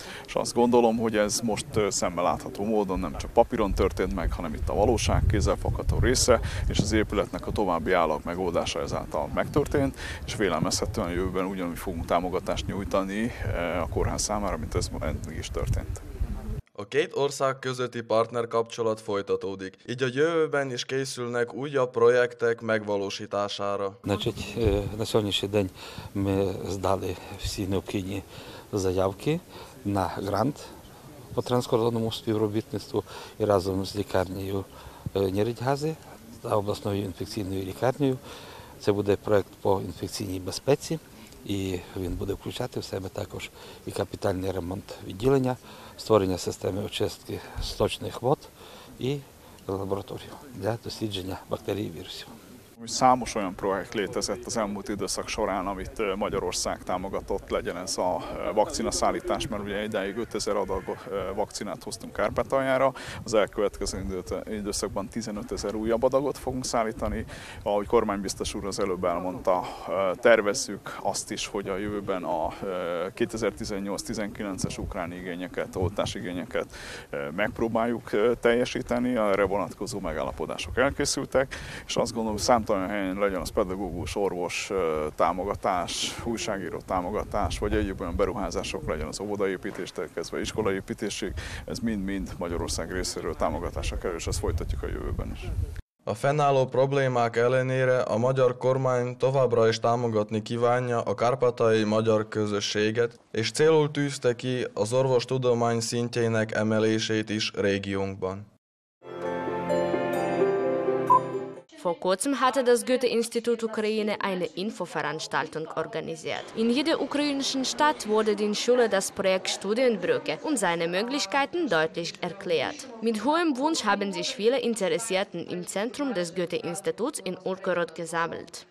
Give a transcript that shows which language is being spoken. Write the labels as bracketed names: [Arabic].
[Hungarian] És azt gondolom, hogy ez most szemmel látható módon nem csak papíron történt meg, hanem itt a valóság kézzelfogható része, és az épületnek a további állag megoldása ezáltal megtörtént, és vélelmezhetően jövőben ugyanúgy fogunk támogatást nyújtani a kórház számára, mint ez eddig is történt. A két ország közötti partnerkapcsolat folytatódik, így a jövőben is készülnek újabb projektek megvalósítására. [Ukrainian] Na сьогоднішній день ми здали всі необхідні заявки на грант по транскордонному співробітництву і разом з лікарнею Нірідгази та обласною інфекційною лікарнею. Це буде проект по інфекційній безпеці, і він буде включати в себе також і капітальний ремонт відділення, створення системи очистки сточних вод і лабораторію для дослідження бактерій і вірусів. [Hungarian] Számos olyan projekt létezett az elmúlt időszak során, amit Magyarország támogatott, legyen ez a vakcinaszállítás, mert ugye ideig 5000 adag vakcinát hoztunk Kárpátaljára, az elkövetkező időszakban 15000 újabb adagot fogunk szállítani. Ahogy kormánybiztos úr az előbb elmondta, tervezzük azt is, hogy a jövőben a 2018-19-es ukrán igényeket, oltás igényeket megpróbáljuk teljesíteni, erre vonatkozó megállapodások elkészültek, és azt gondolom, számtalan helyen legyen az pedagógus, orvos támogatás, újságíró támogatás, vagy egyéb olyan beruházások legyen az óvodaépítéstől kezdve iskolaépítésig, ez mind-mind Magyarország részéről támogatásra kerül, és ezt folytatjuk a jövőben is. A fennálló problémák ellenére a magyar kormány továbbra is támogatni kívánja a kárpátaljai magyar közösséget, és célul tűzte ki az orvostudomány szintjének emelését is régiónkban. [German] Vor kurzem hatte das Goethe-Institut Ukraine eine Infoveranstaltung organisiert. In jeder ukrainischen Stadt wurde den Schülern das Projekt Studienbrücke und seine Möglichkeiten deutlich erklärt. Mit hohem Wunsch haben sich viele Interessierten im Zentrum des Goethe-Instituts in Ulkerod gesammelt.